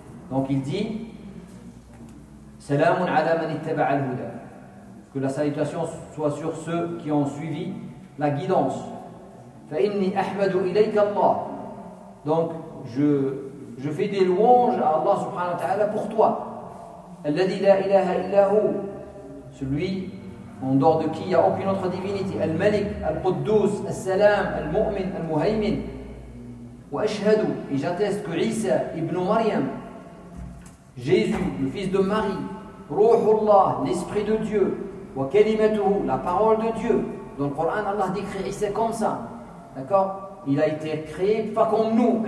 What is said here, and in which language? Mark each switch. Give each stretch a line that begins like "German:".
French: Donc il dit
Arabic: سلام على من اتبع الهدى.
French: Que la salutation soit sur ceux qui ont suivi la guidance.
Arabic: فإني أحمد إليك الله.
French: Donc je fais des louanges à Allah subhanahu wa ta'ala pour toi.
Arabic: الذي لا إله إلا هو.
French: Celui en dehors de qui il n'y a aucune autre divinité.
Arabic: الملك القدوس السلام المؤمن المهيمن. واشهد اجتست عيسى ابن مريم
French: Jésus le fils de Marie
Arabic: روح الله
French: l'esprit de Dieu
Arabic: وكلمته
French: la parole de Dieu. Dans le Coran Allah décrit Isa comme ça, d'accord, il a été créé pas comme nous.